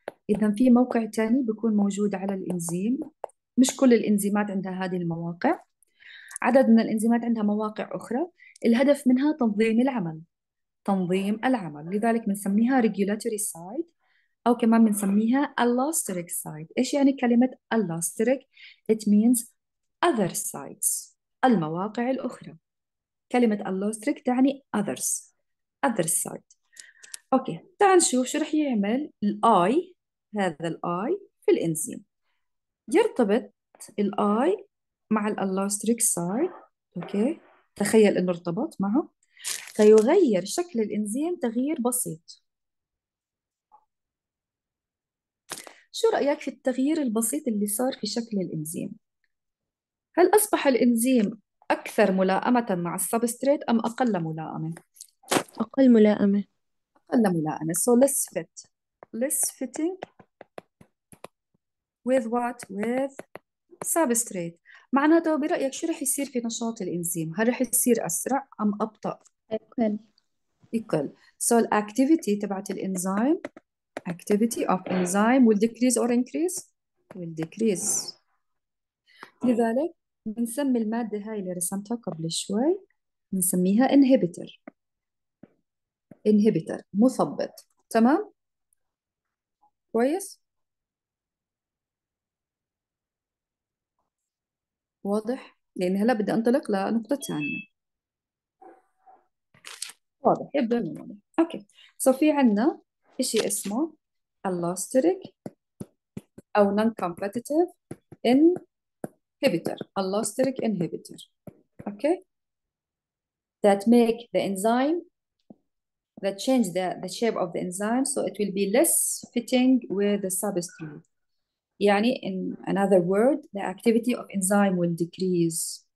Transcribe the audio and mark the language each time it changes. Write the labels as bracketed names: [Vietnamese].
[Arabic] إذا في موقع تاني بيكون موجود على الإنزيم، مش كل الإنزيمات عندها هذه المواقع، عدد من الإنزيمات عندها مواقع أخرى، الهدف منها تنظيم العمل، تنظيم العمل، لذلك بنسميها regulatory site، أو كمان بنسميها allosteric site. إيش يعني كلمة allosteric؟ [English] It means other sites، [Arabic] المواقع الأخرى. كلمة allosteric تعني [English] others، other site. [Arabic] أوكي تعال نشوف شو رح يعمل الآي، هذا الآي في الإنزيم. يرتبط الآي مع الallosteric site، أوكي تخيل إنه ارتبط معه، فيغير شكل الإنزيم تغيير بسيط. شو رأيك في التغيير البسيط اللي صار في شكل الإنزيم؟ هل أصبح الإنزيم أكثر ملائمة مع السبستريت أم أقل ملائمة؟ أقل ملائمة. أقل ملائمة، [English] so less fit. Less fitting with what? With substrate. [Arabic] معناته برأيك شو رح يصير في نشاط الإنزيم؟ هل رح يصير أسرع أم أبطأ؟ أقل. يقل. [English] So activity [Arabic] تبعت الإنزيم، [English] activity of enzyme will decrease or increase? Will decrease. [Arabic] لذلك بنسمي المادة هاي اللي رسمتها قبل شوي بنسميها inhibitor، inhibitor مثبط. تمام كويس واضح، لأن هلا بدي أنطلق لنقطة ثانية. واضح يبدو أنه واضح. أوكي سو في عندنا إشي اسمه allosteric أو non-competitive in inhibitor، allosteric inhibitor. [English] Okay. That make the enzyme that change the shape of the enzyme so it will be less fitting with the substrate. [Arabic] يعني [English] in another word the activity of enzyme will decrease.